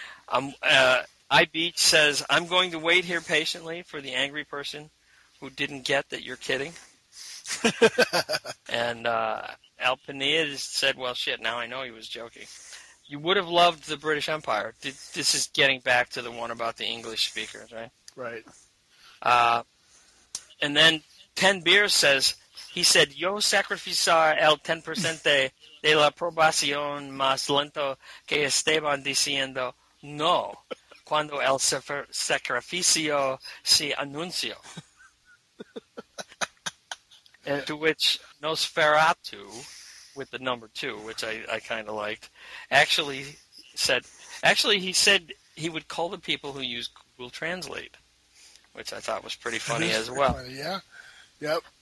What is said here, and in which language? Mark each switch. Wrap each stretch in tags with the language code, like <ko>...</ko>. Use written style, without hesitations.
<en>iBeach says, I'm going to wait here patiently for the angry person who didn't get that you're kidding. And Alpinea said, well, shit, now I know he was joking. You would have loved the British Empire. This is getting back to the one about the English speakers, right? Right. And then Ten Beers says, he said,</en> <es>yo sacrificar el 10% de la probación más lento que Esteban diciendo no cuando el sacrificio se anunció.</es> <en>And to which Nosferatu, with the number two, which I kind of liked, actually he said he would call the people who use Google Translate, which I thought was pretty funny as well. Funny, yeah. Yep.</en>